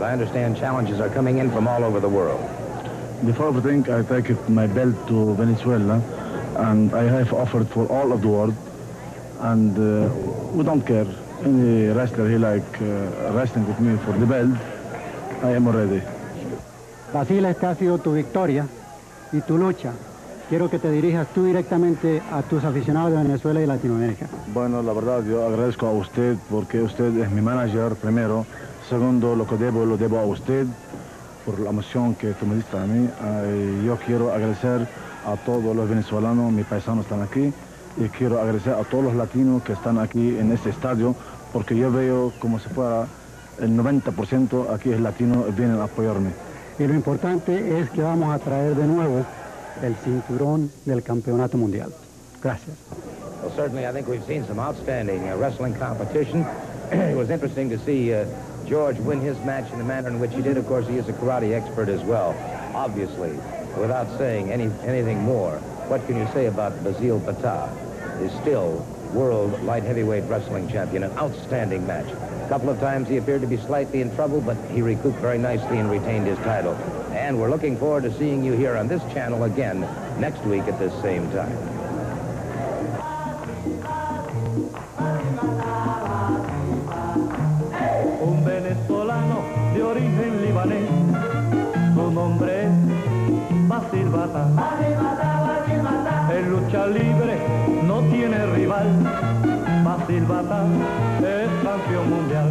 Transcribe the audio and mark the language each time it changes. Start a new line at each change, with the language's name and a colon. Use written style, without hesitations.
English: I understand challenges are coming in from all over the world. Before everything, I take my belt to Venezuela, and I have offered for all of the world, and we don't care. Any wrestler he like wrestling with me for the belt, I am already.
Spanish: Basil, esta ha sido tu victoria y tu lucha. Quiero que te dirijas tú directamente a tus aficionados de Venezuela y Latinoamérica. Bueno, la verdad, yo agradezco a usted porque usted es mi manager, primero. Segundo, lo debo a usted por la emoción que tú me diste a mí. Yo quiero agradecer a todos los venezolanos, mis paisanos están aquí, y quiero agradecer a todos los latinos que están aquí en este estadio, porque yo veo como si fuera el 90% aquí es latino y vienen a apoyarme. Y lo importante es que vamos a traer de nuevo el cinturón del campeonato mundial. Gracias.
English: Well, certainly, I think we've seen some outstanding wrestling competition. It was interesting to see George win his match in the manner in which he did. Of course, he is a karate expert as well. Obviously, without saying anything more, what can you say about Basil Batar? He's still world light heavyweight wrestling champion. An outstanding match. A couple of times he appeared to be slightly in trouble, but he recouped very nicely and retained his title. And we're looking forward to seeing you here on this channel again next week at this same time.
Spanish: Un venezolano de origen libanés, su nombre es Basil Batar. El lucha libre no tiene rival. Basil Batar es campeón mundial.